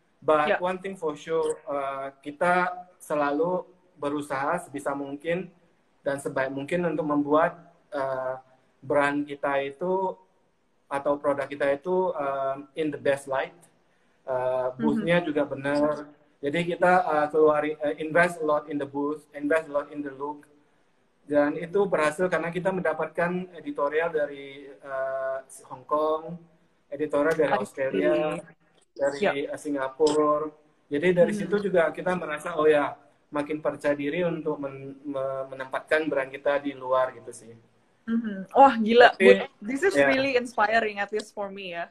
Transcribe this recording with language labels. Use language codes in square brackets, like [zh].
[en] But one thing for sure, [id] kita selalu berusaha sebisa mungkin dan sebaik mungkin untuk membuat brand kita itu atau produk kita itu [en] in the best light. [id] Booth-nya juga benar. Jadi kita [en] invest a lot in the booth, invest a lot in the look. [id] Dan itu berhasil karena kita mendapatkan editorial dari Hong Kong, editorial dari Australia, dari Singapura. Jadi dari situ juga kita merasa, oh ya, makin percaya diri untuk menempatkan brand kita di luar gitu sih. Wah, gila. [en] Tapi, this is really inspiring, at least for me ya.